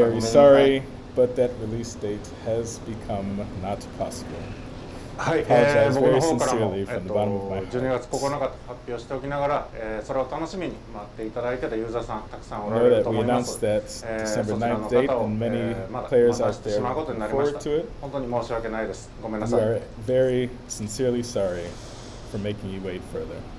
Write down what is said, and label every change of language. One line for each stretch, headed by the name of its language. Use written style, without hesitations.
English: Very sorry, but that release date has become not possible.
Japanese: はい、僕の方からも、12月9日と発表しておきながら、それを楽しみに待っていただいてたユーザーさんたくさんおられると思います。そちらの方を、まだ待たせてしまうことになりました。本当に申し訳ないです。ごめんなさい。
English: We are very sincerely sorry for making you wait further.